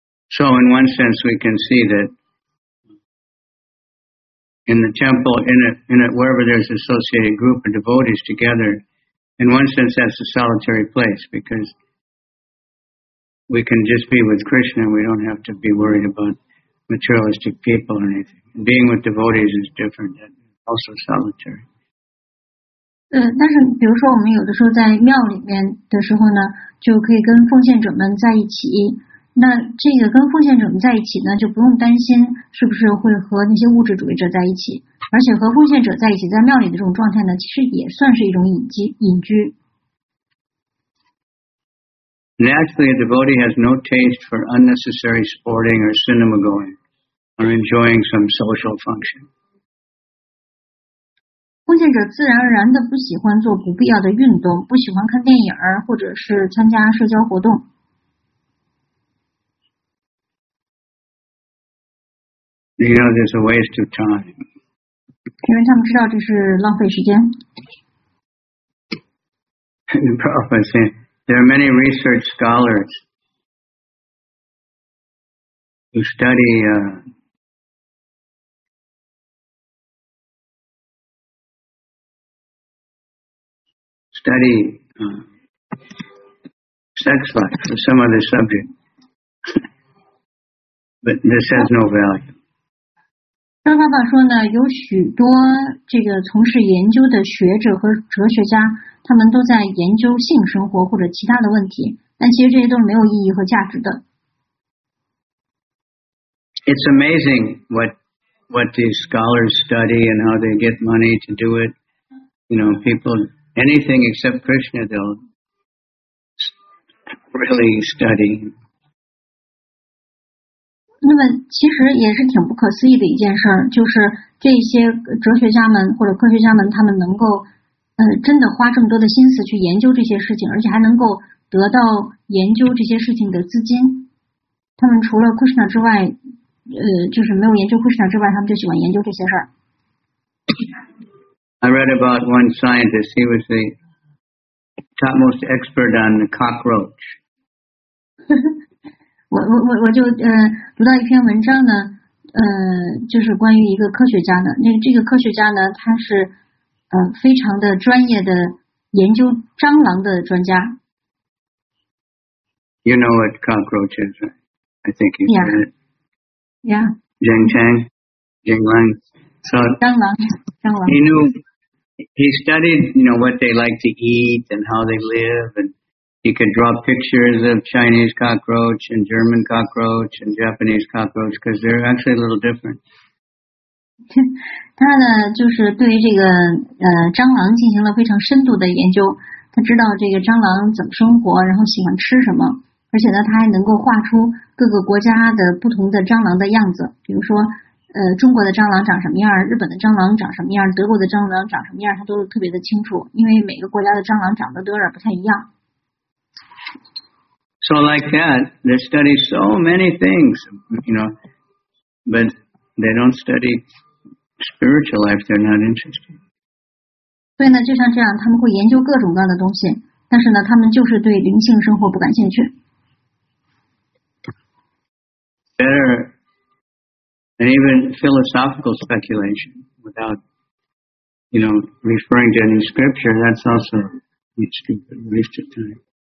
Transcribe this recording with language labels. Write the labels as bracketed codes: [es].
[en] So in one sense we can see that in the temple, in it, wherever there's associated group of devotees together, in one sense that's a solitary place because We can just be with Krishna. We don't have to be worried about materialistic people or anything. Being with devotees is different. Also solitary. [zh] 但是比如说我们有的时候在庙里面的时候呢，就可以跟奉献者们在一起。那这个跟奉献者们在一起呢，就不用担心是不是会和那些物质主义者在一起。而且和奉献者在一起，在庙里的这种状态呢，其实也算是一种隐居。 [en] Naturally, a devotee has no taste for unnecessary sporting or cinema going or enjoying some social function. [zh] 奉献者自然而然的不喜欢做不必要的运动，不喜欢看电影或者是参加社交活动。 [en] You know, this is a waste of time. [zh] 因为他们知道这是浪费时间。 [en] Prabhupada said,There are many research scholars who study sex life or some other subject, but this has no value. [zh] 张老板说呢，有许多这个从事研究的学者和哲学家。他们都在研究性生活或者其他的问题，但其实这些都是没有意义和价值的。 [en] It's amazing what these scholars study and how they get money to do it. You know, people anything except Krishna they'll really study. [zh] 那么其实也是挺不可思议的一件事，就是这些哲学家们或者科学家们，他们能够。真的花这么多的心思去研究这些事情，而且还能够得到研究这些事情的资金。他们除了 Krishna 之外，就是没有研究 Krishna 之外，他们就喜欢研究这些事儿。 [en] I read about one scientist. He was the topmost expert on the cockroach. [zh] 我就读到一篇文章呢，就是关于一个科学家的。那这个科学家呢，他是。非常的专业的研究蟑螂的专家。 [en] You know what cockroach is, right? I think you've heard it. Yeah. Jing Lang. So, [zh] 蟑螂。 [en] He knew, he studied, you know, what they like to eat and how they live, and he could draw pictures of Chinese cockroach and German cockroach and Japanese cockroach because they're actually a little different. [zh] 他呢，就是对于这个蟑螂进行了非常深度的研究。他知道这个蟑螂怎么生活，然后喜欢吃什么，而且呢，他还能够画出各个国家的不同的蟑螂的样子。比如说，中国的蟑螂长什么样，日本的蟑螂长什么样，德国的蟑螂长什么样，他都特别的清楚，因为每个国家的蟑螂长得都有点不太一样。 [en] So like that, they study so many things, you know, but they don't study spiritual life, they're not interested. [zh] 所以呢，就像这样，他们会研究各种各样的东西，但是呢，他们就是对灵性生活不感兴趣。 [en] Better than even philosophical speculation without, you know, referring to any scripture, that's also stupid, waste of time.